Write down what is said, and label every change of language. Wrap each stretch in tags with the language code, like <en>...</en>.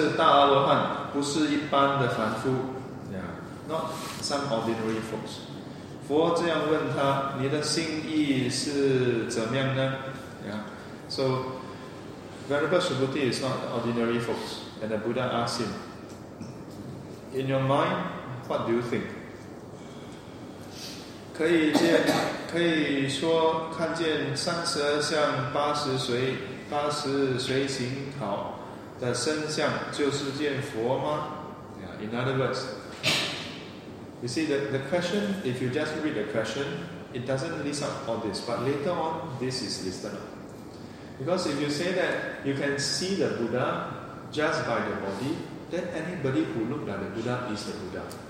<zh>其菩提是大阿罗汉，不是一般的凡夫。</zh> <en>Not some ordinary folks.</en> <zh>佛这样问他，你的心意是怎么样呢？</zh> <en>So, Venerable Subhuti is not ordinary folks. And the Buddha asked him, in your mind, what do you think?</en> <zh>可以说看见三十二相八十随行好的身相就是见佛吗？</zh> <en>In other words, you see the question, if you just read the question, it doesn't list up all this, but later on, this is listed up. Because if you say that you can see the Buddha just by the body, then anybody who looked at the Buddha is the Buddha.</en>